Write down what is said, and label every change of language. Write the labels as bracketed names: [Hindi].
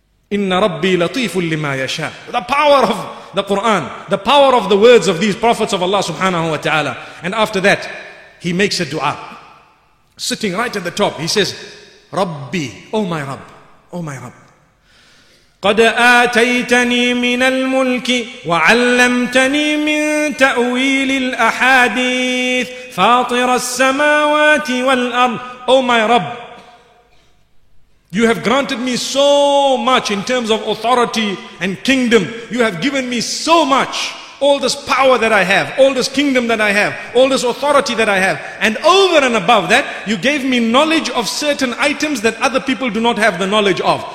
[English] Inna Rabbi latifun lima yasha. The power of the Quran, the power of the words of these prophets of Allah subhanahu wa ta'ala. And after that, he makes a dua. Sitting right at the top, he says, Rabbi, oh my Rabb, oh my Rabb. [Arabic] قد آتيتني من الملك وعلمتني من تأويل الأحاديث فاطر السماوات والأرض. [English] Oh my Rabb, you have granted me so much in terms of authority and kingdom. You have given me so much, all this power that I have, all this kingdom that I have, all this authority that I have. And over and above that, you gave me knowledge of certain items that other people do not have the knowledge of.